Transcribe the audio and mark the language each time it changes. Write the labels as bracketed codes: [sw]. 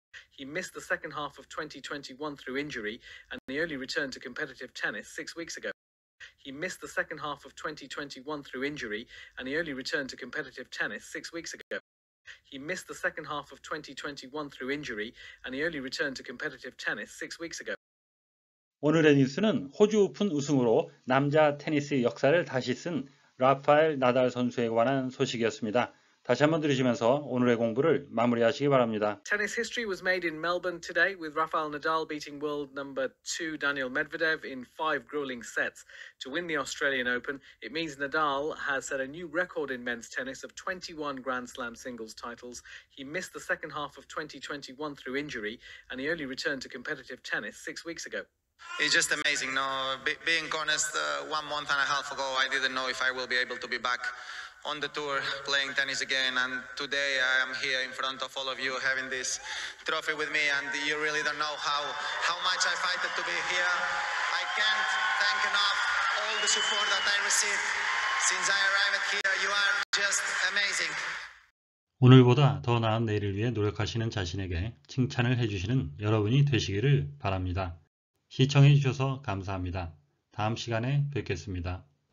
[en] He missed the second half of 2021 through injury, and he only returned to competitive tennis 6 weeks ago. He missed the second half of 2021 through injury, and he only returned to competitive tennis 6 weeks ago. He missed the second half of 2021 through injury, and he only returned to competitive tennis 6 weeks ago. [ko] 오늘의 뉴스는 호주 오픈 우승으로 남자 테니스 역사를 다시 쓴 라파엘 나달 선수에 관한 소식이었습니다. 다시 한번 들으시면서 오늘의 공부를 마무리하시기 바랍니다. [en] Tennis history was made in Melbourne today with Rafael Nadal beating world number 2 Daniel Medvedev in 5 grueling sets to win the Australian Open. It means Nadal has set a new record in men's tennis of 21 Grand Slam singles titles. He missed the second half of 2021 through injury, and he only returned to competitive tennis 6 weeks ago. It's just amazing. No, being honest, 1 month and a half ago, I didn't know if I will be able to be back on the tour playing tennis again, and today I am here in front of all of you having this trophy with me, and you really don't know how much I fight to be here. I can't thank enough all the support that I received since I arrived here. You are just amazing. [ko] 오늘보다 더 나은 내일을 위해 노력하시는 자신에게 칭찬을 해주시는 여러분이 되시기를 바랍니다. 시청해 주셔서 감사합니다. 다음 시간에 뵙겠습니다.